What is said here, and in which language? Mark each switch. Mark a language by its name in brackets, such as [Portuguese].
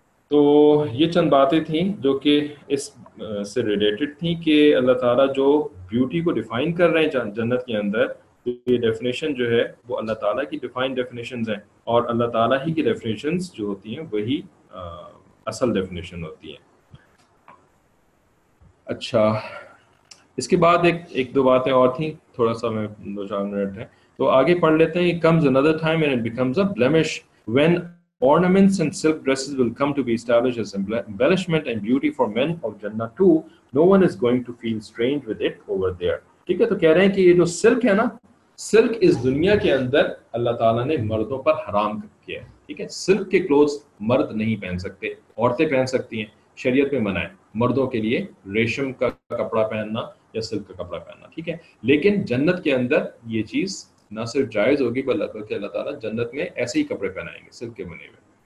[Urdu] تو یہ چند باتیں تھیں جو کہ اس سے ریلیٹڈ تھیں کہ اللہ تعالیٰ جو بیوٹی کو ڈیفائن کر رہے ہیں جنت کے اندر, یہ ڈیفینیشن جو ہے وہ اللہ تعالیٰ کی ڈیفائن ڈیفینیشنز ہیں, اور اللہ تعالیٰ ہی کی ڈیفینیشنز جو ہوتی ہیں وہی اصل ڈیفینیشن ہوتی ہیں. اچھا, اس کے بعد ایک دو باتیں اور تھیں, تھوڑا سا میں دو چار منٹ ہیں تو آگے پڑھ لیتے ہیں. [English] Comes under time and it becomes a blemish when ornaments and silk dresses will come to be established as embellishment and beauty for men of Jannah too. No one is going to feel strange with it over there. [Urdu] ٹھیک ہے, تو کہہ رہے ہیں کہ یہ جو silk ہے نا, سلک اس دنیا کے اندر اللہ تعالیٰ نے مردوں پر حرام کیا ہے, ٹھیک ہے, سلک کے کلوز مرد نہیں پہن سکتے, عورتیں پہن سکتی ہیں, شریعت میں منع ہے مردوں کے لیے ریشم کا کپڑا پہننا یا سلک کا کپڑا پہننا, ٹھیک ہے, لیکن جنت کے اندر یہ چیز نہ صرف جائز ہوگی بلکہ اللہ تعالیٰ جنت میں ایسے ہی کپڑے پہنائیں گے سلک کے بنے ہوئے.